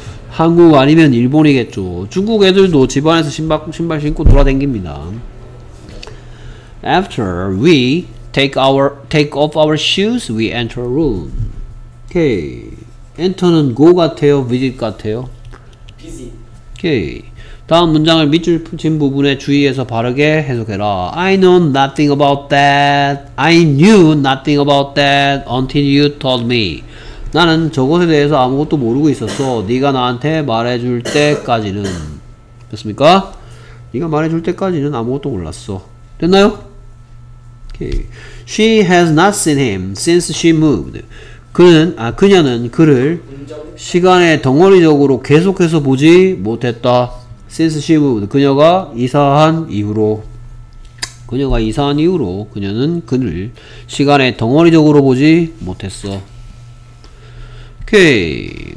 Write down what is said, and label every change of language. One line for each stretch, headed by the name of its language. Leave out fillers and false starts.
Korean: 한국 아니면 일본이겠죠. 중국 애들도 집 안에서 신발 신고 돌아다닙니다.
English: After we take off our shoes, we enter a room.
Korean: Okay. Enter는 go 같아요, visit 같아요?
English: Visit. Okay.
Korean: 다음 문장을 밑줄 친 부분에 주의해서 바르게 해석해라.
English: I know nothing about that. I knew nothing about that until you told me.
Korean: 나는 저것에 대해서 아무것도 모르고 있었어. 네가 나한테 말해줄 때까지는. 됐습니까? 네가 말해줄 때까지는 아무것도 몰랐어. 됐나요? Okay.
English: She has not seen him since she moved.
Korean: 그녀는 그를 시간의 덩어리적으로 계속해서 보지 못했다. Since she moved, 그녀가 이사한 이후로 그녀는 그를 시간에 덩어리적으로 보지 못했어. 오케이.